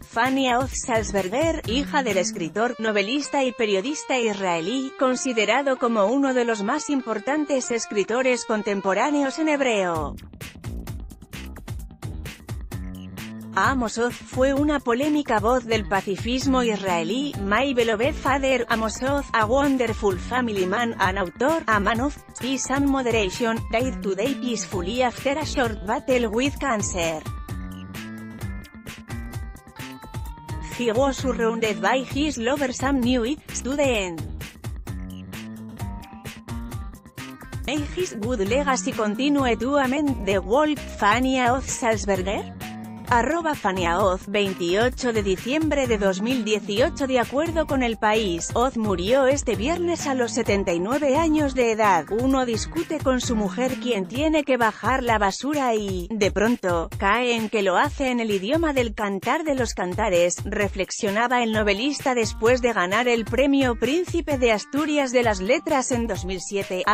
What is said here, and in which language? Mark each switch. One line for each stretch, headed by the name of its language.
Spanish: Fania Ozz-Salzberger, hija del escritor, novelista y periodista israelí, considerado como uno de los más importantes escritores contemporáneos en hebreo. Amos Oz fue una polémica voz del pacifismo israelí.
English: My beloved father, Amos Oz, a wonderful family man, an author, a man of peace and moderation, died today peacefully after a short battle with cancer. He was surrounded by his lover Sam Newey, student. May his good legacy continue to amend the world.
Spanish: Fania Ozz-Salzberger? Arroba Fania Oz, 28 de diciembre de 2018. De acuerdo con El País, Oz murió este viernes a los 79 años de edad. Uno discute con su mujer quien tiene que bajar la basura y, de pronto, cae en que lo hace en el idioma del Cantar de los Cantares, reflexionaba el novelista después de ganar el premio Príncipe de Asturias de las Letras en 2007.